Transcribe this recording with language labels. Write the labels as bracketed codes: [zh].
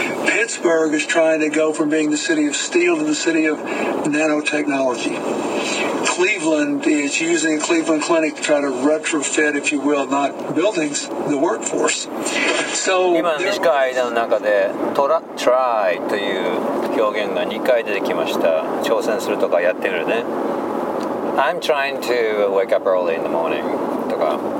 [en] Pittsburgh is trying to go from being the city of steel to the city of nanotechnology. Cleveland is using Cleveland Clinic to try to retrofit, if you will, not buildings, the workforce. So [ja] 今の短い間の中で try という表現が2回出てきました。挑戦するとかやってるね。 [en] I'm trying to wake up early in the morning とか。